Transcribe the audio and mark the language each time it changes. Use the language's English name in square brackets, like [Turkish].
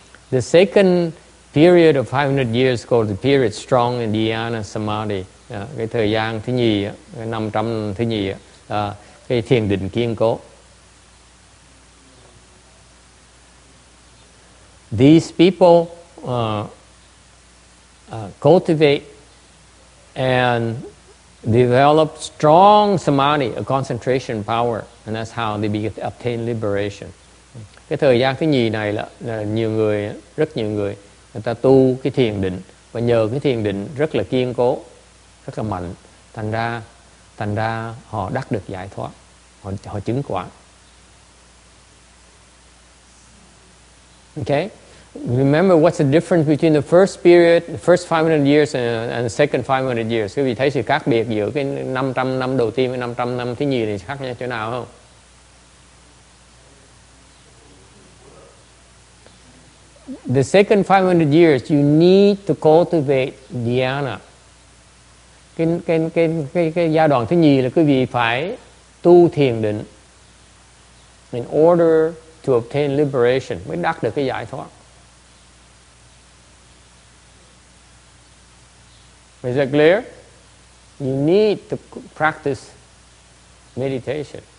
[English] The second period of 500 years called the period strong in Dhyana Samadhi. [Vietnamese] Cái thời gian thứ nhì, cái 500 thứ nhì, cái thiền định kiên cố. [English] These people cultivate and develop strong samadhi, a concentration power, and that's how they obtain liberation. [Vietnamese] Cái thời gian thứ nhì này là nhiều người, rất nhiều người, người ta tu cái thiền định. Và nhờ cái thiền định rất là kiên cố, rất là mạnh, Thành ra họ đắc được giải thoát, họ chứng quả. [English] Okay, remember what's the difference between the first period, the first 500 years and the second 500 years? [Vietnamese] Quý vị thấy sự khác biệt giữa cái 500 năm đầu tiên với 500 năm thứ nhì này khác nhau chỗ nào không? [English] The second 500 years, you need to cultivate dhyana. [Vietnamese] Cái giai đoạn thứ nhì là quý vị phải tu thiền định [English] in order to obtain liberation, [Vietnamese] mới đắc được cái giải thoát. [English] Is that clear? You need to practice meditation.